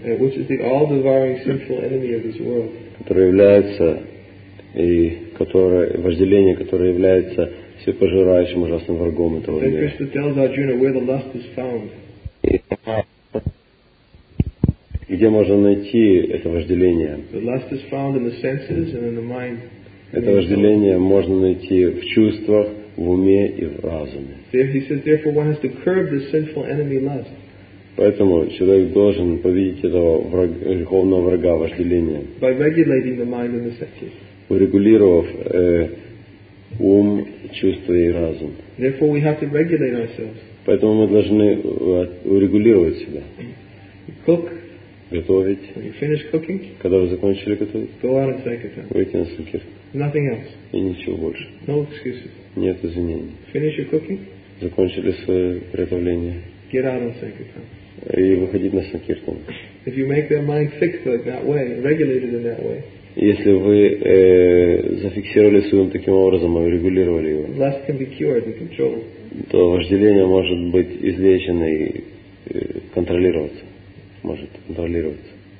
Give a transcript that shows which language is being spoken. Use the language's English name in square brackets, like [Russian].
[English] which is the all-devouring sinful enemy of this world. [Russian] Которое является и которое вожделение, которое является всепожирающим ужасным врагом этого мира. [English] And Krishna tells Arjuna where the lust is found. [Russian] Где можно найти это вожделение? [English] The lust is found in the senses and in the mind. [Russian] Это вожделение можно найти в чувствах, в уме и в разуме. [English] He says, therefore, one has to curb this sinful enemy lust. [Russian] Поэтому человек должен победить этого греховного врага вожделения. [English] By regulating the mind and the senses. [Russian] Урегулировав ум, чувства и разум. [English] Therefore, we have to regulate ourselves. [Russian] Поэтому мы должны урегулировать себя. [English] Cook. [Russian] Готовить. [English] When you finish cooking, [Russian] когда вы закончили готовить, [English] go out and take it. [Russian] Выйти на сукир. [English] Nothing else. [Russian] И ничего больше. [English] No excuses. [Russian] Нет извинений. [English] Finish your cooking. [Russian] Закончили свое приготовление. [English] Get out and take it. [Russian] И выходить на санкиртан. [English] If you make their mind fixed like that way, regulated in that way. [Russian] Если вы зафиксировали свой ум таким образом и урегулировали его, [English] lust can be cured and controlled. [Russian] То вожделение может быть излечено и контролироваться. Может контролироваться.